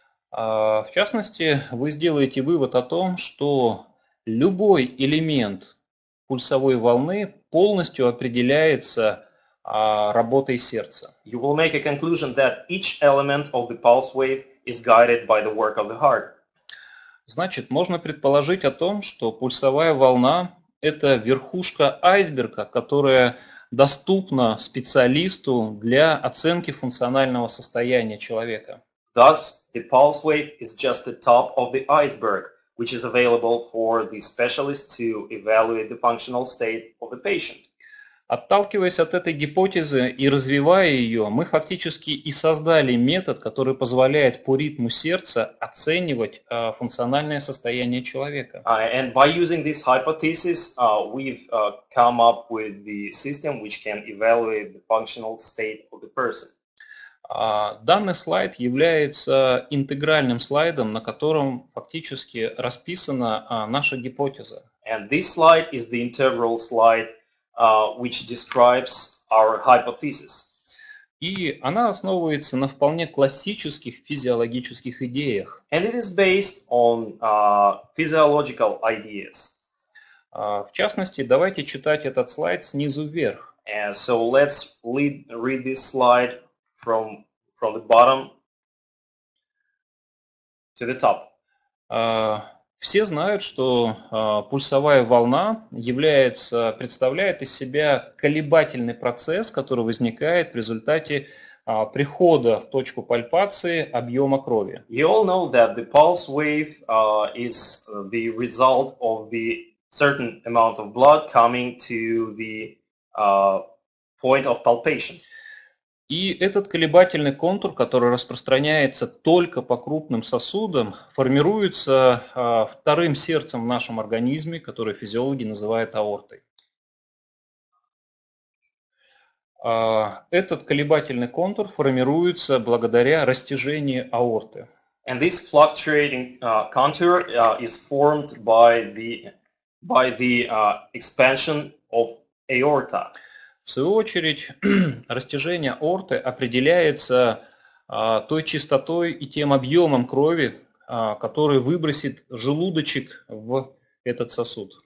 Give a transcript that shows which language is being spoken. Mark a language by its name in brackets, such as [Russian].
[Russian] В частности, вы сделаете вывод о том, что любой элемент пульсовой волны полностью определяется работой сердца. [English] You will make a conclusion that each element of the pulse wave is guided by the work of the heart. [Russian] Значит, можно предположить о том, что пульсовая волна – это верхушка айсберга, которая доступна специалисту для оценки функционального состояния человека. [English] Thus, the pulse wave is just the top of the iceberg, which is available for the specialist to evaluate the functional state of the patient. [Russian] Отталкиваясь от этой гипотезы и развивая ее, мы фактически и создали метод, который позволяет по ритму сердца оценивать функциональное состояние человека. [English] And by using this hypothesis, we've come up with the system which can evaluate the functional state of the person. [Russian] Данный слайд является интегральным слайдом, на котором фактически расписана наша гипотеза. [English] And this slide is the integral slide, which describes our hypothesis. [Russian] И она основывается на вполне классических физиологических идеях. [English] And it is based on physiological ideas. [Russian] В частности, давайте читать этот слайд снизу вверх. [English] So let's read this slide from the bottom to the top. [Russian] Все знают, что пульсовая волна является, представляет из себя колебательный процесс, который возникает в результате прихода в точку пальпации объема крови. [English] You all know that the pulse wave is the result of the certain amount of blood coming to the point of palpation. [Russian] И этот колебательный контур, который распространяется только по крупным сосудам, формируется вторым сердцем в нашем организме, которое физиологи называют аортой. Этот колебательный контур формируется благодаря растяжению аорты. [English] And this fluctuating contour is formed by the expansion of aorta. [Russian] В свою очередь, растяжение аорты определяется той частотой и тем объемом крови, который выбросит желудочек в этот сосуд.